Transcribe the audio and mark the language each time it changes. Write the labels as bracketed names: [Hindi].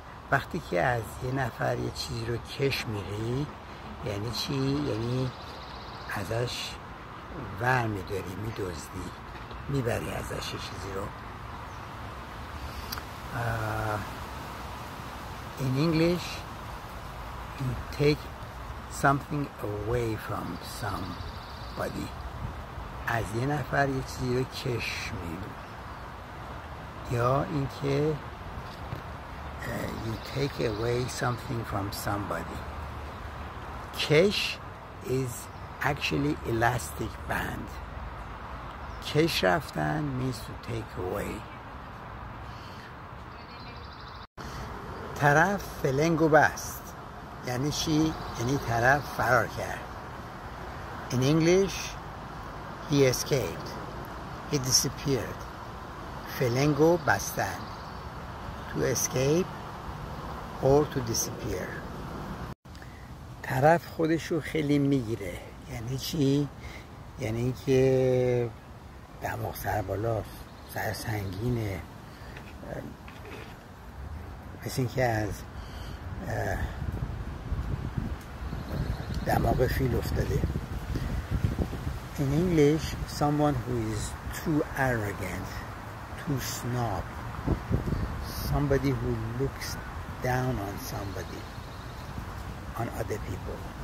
[Persian] وقتی که از یه نفر یه چیزی رو کش میری یعنی چی؟ یعنی ازش ور میداری، میدزدی، میبری ازش یه چیزی رو. [English] In English, you take something away from somebody. [Persian] از یه نفر یه چیزی رو کش میبری. یا اینکه [English] you take away something from somebody. Kesh is actually elastic band. Kesh raftan means to take away. [Persian] طرف فلنگو بست. یعنی چی؟ یعنی طرف فرار کرد. [English] In English, he escaped. He disappeared. [Persian] فلنگو بستن. [English] To escape or to disappear. [Persian] طرف خودشو خیلی میگیره. یعنی چی؟ یعنی که دماغ سر بالاست، سر سنگینه، مثل این که از دماغ فیل افتاده. [English] In English, someone who is too arrogant, too snob, somebody who looks down on somebody, on other people.